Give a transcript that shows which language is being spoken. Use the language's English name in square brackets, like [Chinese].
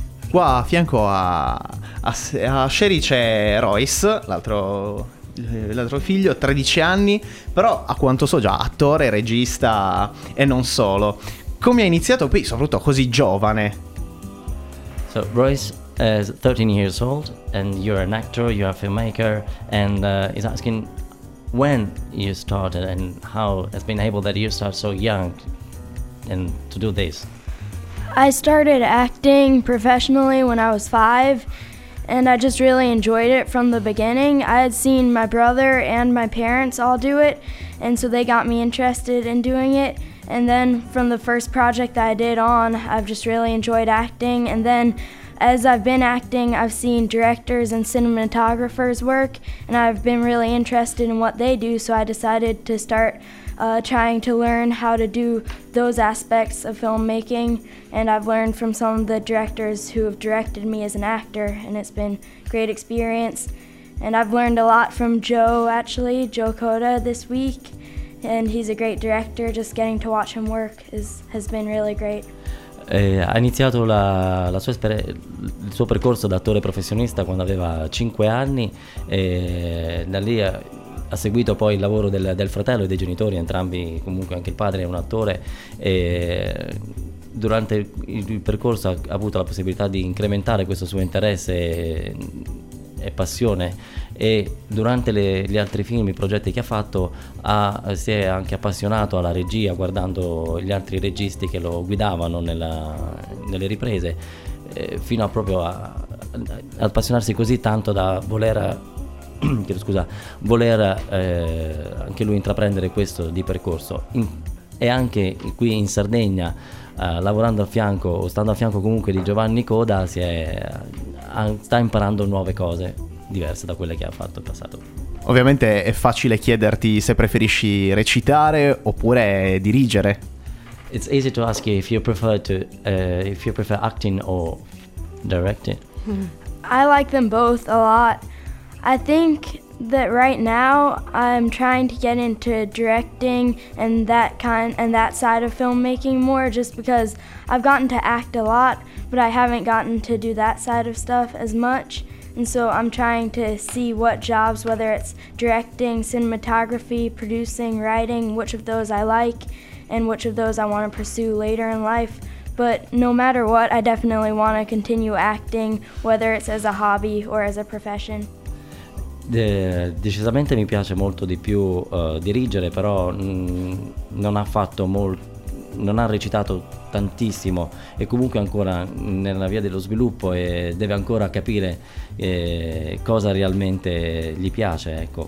[Italian] Qua a fianco a Sherry c'è Royce, l'altro figlio, 13 anni, però a quanto so già attore, regista e non solo. Come ha iniziato qui, soprattutto così giovane? [English] So, Royce is 13 years old, and you're an actor, you're a filmmaker, and he's asking when you started and how it's been able that you start so young and to do this. I started acting professionally when I was 5, and I just really enjoyed it from the beginning. I had seen my brother and my parents all do it, and so they got me interested in doing it. And then from the first project that I did on, I've just really enjoyed acting. And then as I've been acting, I've seen directors and cinematographers work, and I've been really interested in what they do, so I decided to start trying to learn how to do those aspects of filmmaking, and I've learned from some of the directors who have directed me as an actor, and it's been a great experience. And I've learned a lot from Joe Coda this week, and he's a great director. Just getting to watch him work has been really great. [Italian] Ha iniziato il suo percorso da attore professionista quando aveva 5 anni e da lì ha seguito poi il lavoro del fratello e dei genitori, entrambi, comunque anche il padre è un attore, e durante il percorso ha avuto la possibilità di incrementare questo suo interesse e passione, e durante gli altri film, i progetti che ha fatto, si è anche appassionato alla regia guardando gli altri registi che lo guidavano nelle riprese, fino a proprio a appassionarsi così tanto da voler anche lui intraprendere questo di percorso. E anche qui in Sardegna, lavorando a fianco o stando a fianco comunque di Giovanni Coda, sta imparando nuove cose diverse da quelle che ha fatto in passato. Ovviamente è facile chiederti se preferisci recitare oppure dirigere. [English] It's easy to ask you if you prefer acting or directing. I like them both a lot. I think that right now I'm trying to get into directing and that side of filmmaking more, just because I've gotten to act a lot, but I haven't gotten to do that side of stuff as much. And so I'm trying to see what jobs, whether it's directing, cinematography, producing, writing, which of those I like and which of those I want to pursue later in life. But no matter what, I definitely want to continue acting, whether it's as a hobby or as a profession. [Italian] Decisamente mi piace molto di più dirigere, però non ha recitato tantissimo, e comunque ancora nella via dello sviluppo, e deve ancora capire cosa realmente gli piace, ecco.